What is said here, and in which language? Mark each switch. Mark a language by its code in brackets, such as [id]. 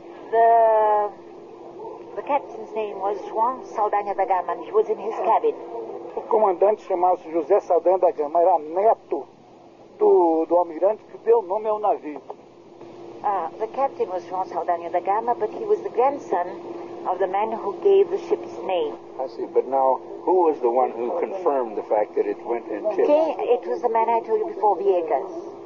[en] The captain's name was João Saldanha da Gama, and he was in his cabin. [pt] O comandante chamava-se José Saldanha da Gama, era neto do almirante que deu nome ao navio. [en] The captain was João Saldanha da Gama, but he was the grandson of the man who gave the ship's name. I see, but now, who was the one who confirmed the fact that it went and tipped? Okay, it was the man I told you before, Viegas.